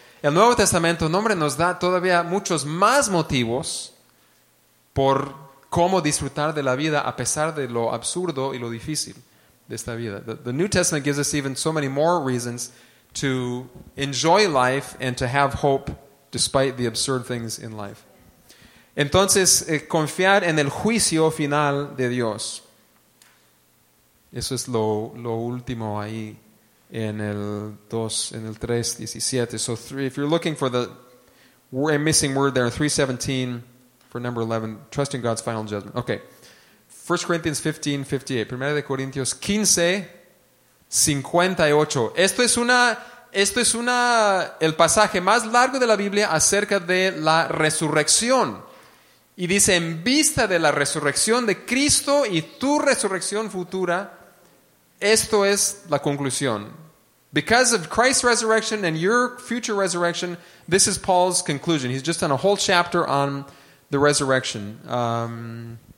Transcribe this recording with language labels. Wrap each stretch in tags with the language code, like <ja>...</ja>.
<es>El Nuevo Testamento, hombre, nos da todavía muchos más motivos por cómo disfrutar de la vida a pesar de lo absurdo y lo difícil de esta vida.</es> <en>The New Testament gives us even so many more reasons to enjoy life and to have hope despite the absurd things in life.</en> <es>Entonces, confiar en el juicio final de Dios. Eso es lo último ahí en el 3:17.</es> <en>So three, if you're looking for the missing word there, 3:17 for number 11, trusting God's final judgment. Okay. 1 Corinthians 15:58. 1 Corinthians 15:58.</en> <es>Esto es el pasaje más largo de la Biblia acerca de la resurrección. Y dice, en vista de la resurrección de Cristo y tu resurrección futura, esto es la conclusión.</es> <en>Because of Christ's resurrection and your future resurrection, this is Paul's conclusion. He's just done a whole chapter on the resurrection.</en>